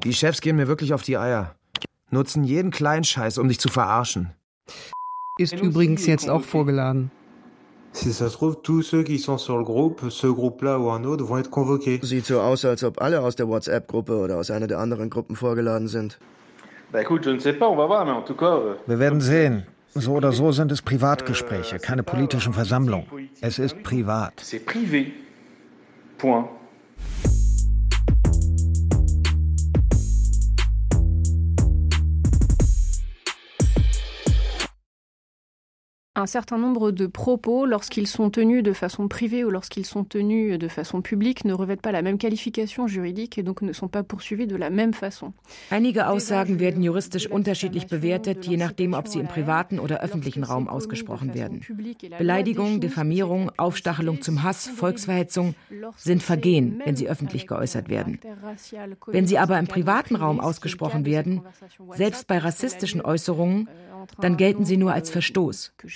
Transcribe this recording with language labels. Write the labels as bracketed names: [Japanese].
[German] Die Chefs gehen mir wirklich auf die Eier. Nutzen jeden kleinen Scheiß, um dich zu verarschen. Ist übrigens jetzt auch vorgeladen. [French] Si ça se trouve, tous ceux qui sont sur le groupe, ce groupe-là ou un autre, vont être convoqués. [German] Sieht so aus, als ob alle aus der WhatsApp-Gruppe oder aus einer der anderen Gruppen vorgeladen sind. [French] Bah écoute, je ne sais pas, on va voir, mais en tout cas... [German] Wir werden sehen. So oder so sind es Privatgespräche, keine politischen Versammlungen. Es ist privat. [French] C'est privé. Point. un certain nombre de propos, lorsqu'ils sont tenus de façon privée ou lorsqu'ils sont tenus de façon publique, ne revêtent pas la même qualification juridique et donc ne sont pas poursuivis de la même façon. [German] Einige Aussagen werden juristisch unterschiedlich bewertet, je nachdem, ob sie im privaten oder öffentlichen Raum ausgesprochen werden. Beleidigung, Diffamierung, Aufstachelung zum Hass, Volksverhetzung sind Vergehen, wenn sie öffentlich geäußert werden. Wenn sie aber im privaten Raum ausgesprochen werden, selbst bei rassistischen Äußerungen, dann gelten sie nur als Verstoß.